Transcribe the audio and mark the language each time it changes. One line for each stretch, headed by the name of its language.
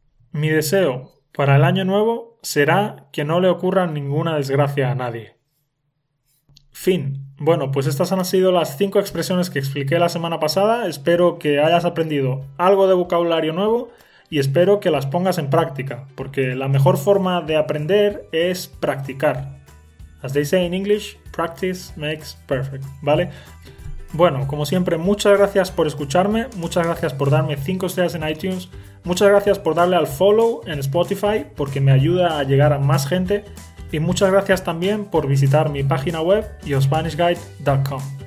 Spanish: Mi deseo para el año nuevo será que no le ocurra ninguna desgracia a nadie. Fin. Bueno, pues estas han sido las 5 expresiones que expliqué la semana pasada. Espero que hayas aprendido algo de vocabulario nuevo y espero que las pongas en práctica, porque la mejor forma de aprender es practicar.
English: As they say in English, practice makes perfect, ¿vale?
Spanish: Bueno, como siempre, muchas gracias por escucharme, muchas gracias por darme 5 estrellas en iTunes, muchas gracias por darle al follow en Spotify, porque me ayuda a llegar a más gente, y muchas gracias también por visitar mi página web, yourspanishguide.com.